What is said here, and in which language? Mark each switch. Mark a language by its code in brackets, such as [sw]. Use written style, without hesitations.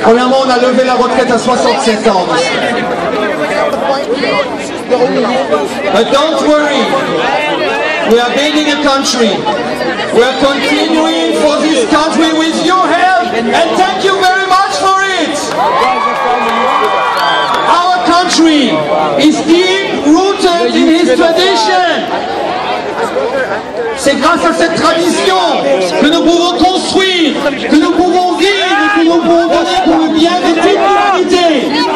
[fr] Premièrement, on a levé la retraite à 67 ans. [en] But don't worry, we are building a country. We are continuing for this country with your help, and thank you very much for it! Our country is deep-rooted in his tradition! [fr] C'est grâce à cette tradition que nous pouvons construire, que nous pouvons vivre, et que nous pouvons donner pour le bien de toute l'humanité!